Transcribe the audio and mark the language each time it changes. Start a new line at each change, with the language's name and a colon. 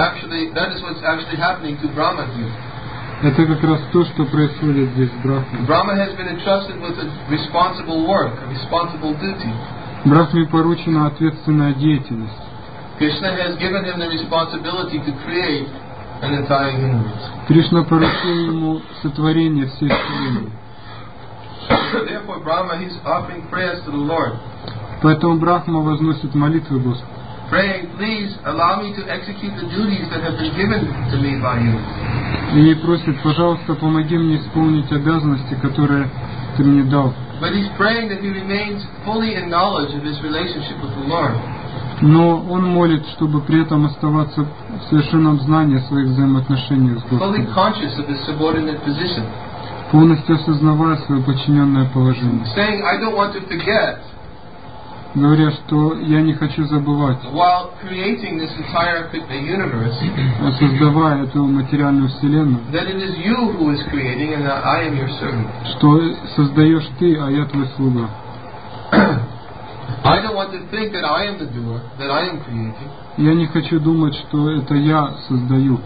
English: That is what's actually happening to Brahma here.
Russian: Это как раз то, что происходит здесь в Брахме.
English: Brahma has been entrusted with a responsible work, a responsible duty.
Russian: Брахме поручена ответственная деятельность.
English: Krishna has given him the responsibility to create an entire universe.
Russian: Кришна поручил ему сотворение всей вселенной.
English: Therefore, Brahma is offering prayers to the Lord.
Russian: Поэтому Брахма возносит молитвы Господу.
English: Praying, please allow me to execute the duties that have been given to me by you.
Russian: И просит, пожалуйста, помоги мне исполнить обязанности, которые ты мне дал.
English: But he's praying that he remains fully in knowledge of his relationship with the Lord.
Russian: Но он молит, чтобы при этом оставаться в совершенном знании о своих взаимоотношениях с Господом.
English: Fully conscious of his subordinate position.
Russian: Полностью осознавая свое подчиненное положение.
English: Saying, I don't want to forget.
Russian: Говоря, что я не хочу забывать.
English: While creating this entire universe,
Russian: создавая эту материальную вселенную,
English: that it is you who is creating and that I am your servant.
Russian: Что создаешь ты, а я твой слуга.
English: I don't want to think that I am the doer, that I am creating.
Russian: Я не хочу думать, что это я создаю.